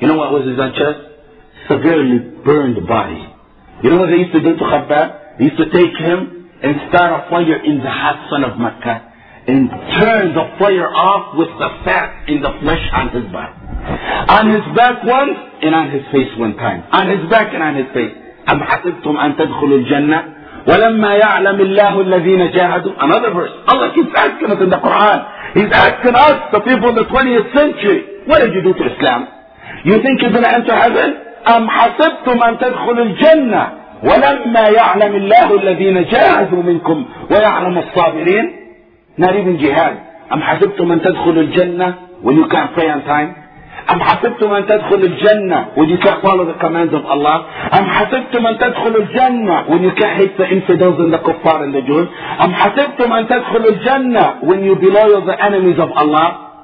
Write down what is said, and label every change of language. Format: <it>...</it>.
<en>You know what was his own chest? Severely burned body. You know what they used to do to Khabbab? They used to take him and start a fire in the Hassan of Mecca and turn the fire off with the fat in the flesh on his back. On his back once and on his face one time. On his back and on his face.</en> <ar>أَمْ حَسِبْتُمْ أَن تَدْخُلُوا الْجَنَّةِ وَلَمَّا يَعْلَمِ اللَّهُ الَّذِينَ جَاهَدُوا</ar> <en>Another verse. Allah keeps asking us in the Quran. He's asking us, the people in the 20th century, what did you do to Islam? You think you're going to enter heaven?</en> <ar>أَمْ حَسِبْتُمْ أَن تَدْخُلُوا الْجَنَّةِ وَلَمَّا يَعْلَمِ اللَّهُ الَّذِينَ جَاهَدُوا مِنْكُمْ وَيَعْلَمُ الصَّابِرِينَ</ar> <en>Not even jihad.</en> <ar>أَمْ حَسِبْتُمْ أَن تَدْخُلُوا الْجَنَّةِ</ar> <en>When you can't pray on time. أَمْ حَسِبْتُمْ أَن تَدْخُلُوا الْجَنَّةِ When you can't follow the commands of Allah.</en> <ar>أَمْ حَسِبْتُمْ أَن تَدْخُلُوا الْجَنَّةِ</ar> <en>When you can't hate the infidels and the kuffar and the Jews.</en> <ar>أَمْ حَسِبْتُمْ أَن تَدْخُلُوا الْجَنَّةِ</ar> <en>When you be loyal to the enemies of Allah.</en>